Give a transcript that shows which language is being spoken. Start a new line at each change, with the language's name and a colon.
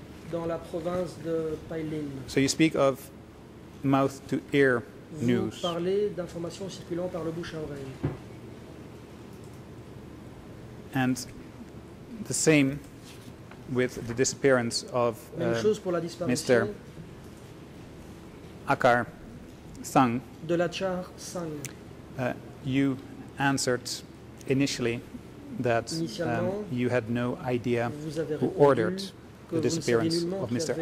English: So you speak of mouth-to-ear news.
French: Vous parlez d'informations circulant par le bouche à oreille.
English: And the same with the disappearance of Mr. Akar Sang.
French: De Lachar Sang.
English: You answered initially that you had no idea who ordered the disappearance of Mr.